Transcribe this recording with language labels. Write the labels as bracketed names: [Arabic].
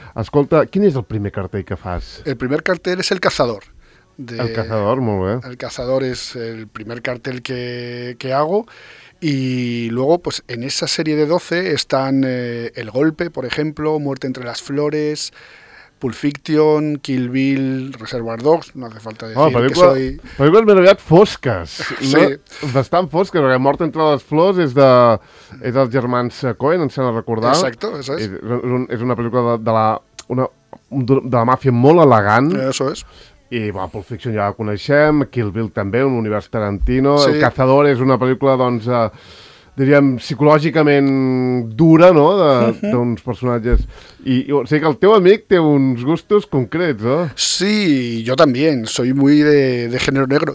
[Catalan] Escolta, quin és el primer cartell que fas? El primer cartell és El Cazador. El Cazador, molt bé. El Cazador és el primer cartell que [Spanish] hago. Y luego, pues en esa serie de 12 están El Golpe, por ejemplo, Muerte entre las Flores, Pulp Fiction, Kill Bill, Reservoir Dogs, no hace falta decir que soy... Películas me han olvidado foscas, ¿no? [Catalan] Bastant foscas, [Spanish] porque [Catalan] Muerte entre las Flores es dels germans Coen, em sembla recordar. [Spanish] Exacto, eso es. Es una película de la màfia [Catalan] molt elegant. [Spanish] Eso es. [Catalan] I, bueno, Pulp Fiction ja la coneixem, Kill Bill també, un univers Tarantino, sí. El Cazador és una pel·lícula, doncs, diríem, psicològicament dura, no?, d'uns personatges. I o sigui que el teu amic té uns gustos concrets, no? [Spanish] Sí, [Catalan] jo també, [Spanish] soy muy de género negro.